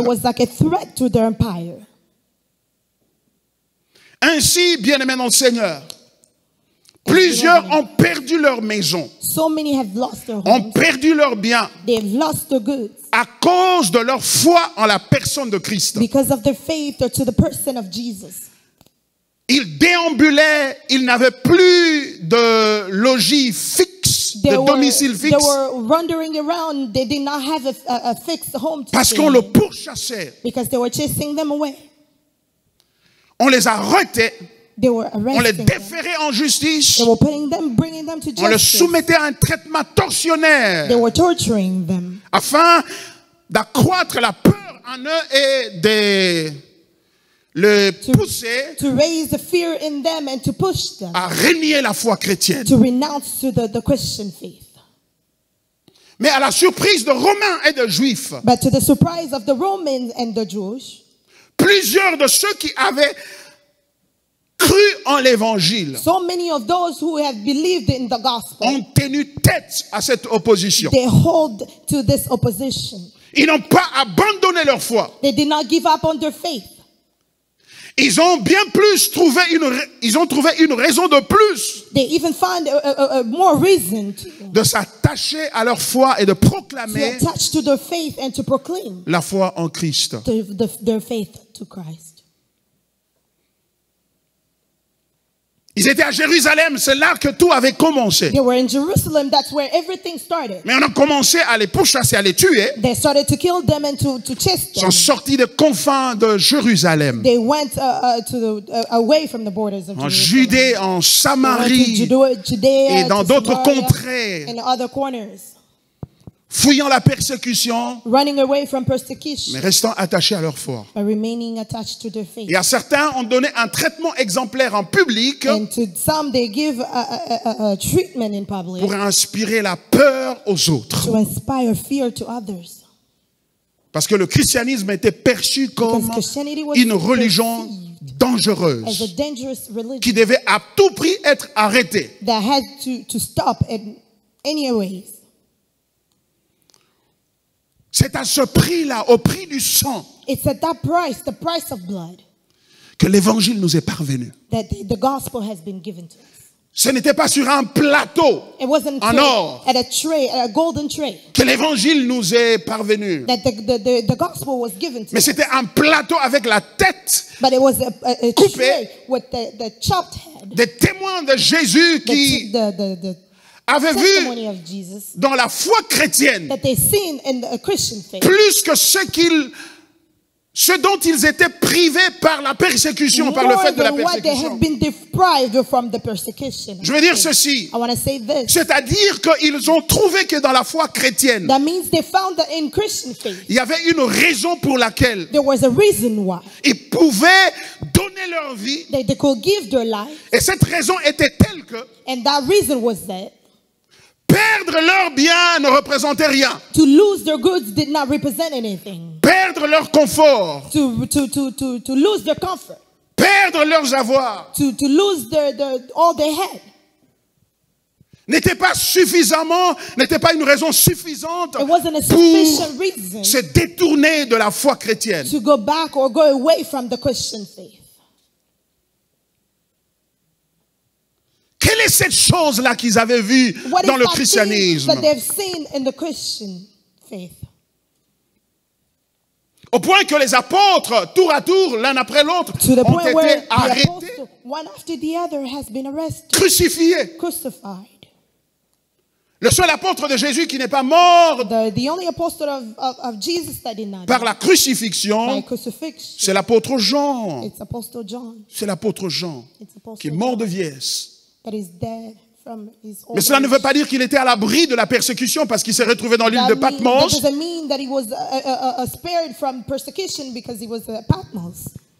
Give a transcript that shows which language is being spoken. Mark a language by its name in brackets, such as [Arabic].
[English] It was like a threat to their empire. [French] Ainsi, bien-aimés dans le Seigneur, plusieurs ont perdu leur maison, [English] so many have lost their homes, [French] ont perdu leur bien [English] lost their goods, [French] à cause de leur foi en la personne de Christ. [English] Because of their faith or to the person of Jesus. [French] Ils déambulaient, ils n'avaient plus de logis fixe, domicile fixe. [English] They were wandering around, they did not have a fixed home to [French] parce qu'on le pourchassait. [English] Because they were chasing them away. [French] On les arrêtait. [English] They were arresting [French] on les déférait [English] them. [French] En justice. [English] They were putting them, bringing them to justice. [French] On les soumettait à un traitement tortionnaire. [English] They were torturing them. [French] Afin d'accroître la peur en eux et de le pousser [English] to raise the fear in them and to push them [French] à renier la foi chrétienne. [English] To renounce to the Christian faith. [French] Mais à la surprise de Romains et de Juifs, [English] but to the surprise of the Romans and the Jews, [French] plusieurs de ceux qui avaient cru en l'évangile [English] so many of those who have believed in the gospel, [French] ont tenu tête à cette opposition. [English] They hold to this opposition. [French] Ils n'ont pas abandonné leur foi. [English] They did not give up on their faith. [French] Ils ont bien plus trouvé une raison de plus [English] they even found a more reason to, [French] de s'attacher à leur foi et de proclamer [English] to attach to their faith and to proclaim [French] la foi en Christ. [English] Their faith to Christ. [French] Ils étaient à Jérusalem, c'est là que tout avait commencé. [English] They were in Jerusalem, that's where everything started. [French] Mais on a commencé à les pourchasser, à les tuer. [English] They started to kill them and to chase them. [French] Ils sont sortis des confins de Jérusalem. [English] They went away from the borders of Jerusalem. [French] En Judée, en Samarie, [English] Judea, [French] et dans d'autres [English] Samaria, [French] contrées. [English] And other corners. [French] Fuyant la persécution, [English] running away from persecution, [French] mais restant attachés à leur foi. [English] But remaining attached to their faith. [French] Et à certains, on donnait un traitement exemplaire en public, [English] and to some, they give a treatment in public [French] pour inspirer la peur aux autres. [English] To inspire fear to others. [French] Parce que le christianisme était perçu comme une religion dangereuse [English] as a dangerous religion [French] qui devait à tout prix être arrêtée. [English] That had to stop in any ways. [French] C'est à ce prix-là, au prix du sang, [English] it's at that price, the price of blood, [French] que l'Évangile nous est parvenu. [English] That the gospel has been given to us. [French] Ce n'était pas sur un plateau [English] it wasn't [French] en or [English] at a tray, at a golden tray, [French] que l'Évangile nous est parvenu. [English] That the gospel was given to [French] mais [English] us. [French] C'était un plateau avec la tête [English] but it was a [French] coupée [English] tray with the chopped head, [French] des témoins de Jésus qui avaient vu dans la foi chrétienne plus que ce dont ils étaient privés par la persécution, par le fait de la persécution. Je veux dire ceci, c'est-à-dire qu'ils ont trouvé que dans la foi chrétienne, il y avait une raison pour laquelle ils pouvaient donner leur vie, et cette raison était telle que perdre leur bien ne représentait rien. [English] To lose their goods did not represent anything. [French] Perdre leur confort. [English] To lose their comfort. [French] Perdre leurs avoirs. [English] To lose their all they had. [French] N'était pas une raison suffisante [English] it wasn't a sufficient reason [French] se détourner de la foi chrétienne. [English] To go back or go away from the Christian faith. [French] Quelle est cette chose-là qu'ils avaient vue dans le christianisme? [English] That they've seen in the Christian faith. [French] Au point que les apôtres, tour à tour, l'un après l'autre, [English] to the [French] ont [English] point [French] été [English] where [French] arrêtés, [English] the apostle, one after the other has been arrested, [French] crucifiés. [English] Crucified. [French] Le seul apôtre de Jésus qui n'est pas mort [English] the only apostle of Jesus that did not [French] par la crucifixion, [English] by crucifixion, [French] c'est l'apôtre Jean. [English] It's Apostle John. [French] C'est l'apôtre Jean [English] it's Apostle [French] qui est mort de vieillesse. [English] That is dead from his old [French] mais cela [English] age. [French] Ne veut pas dire qu'il était à l'abri de la persécution parce qu'il s'est retrouvé dans l'île de Patmos. [English] That doesn't mean that he was spared from persecution because he was at Patmos.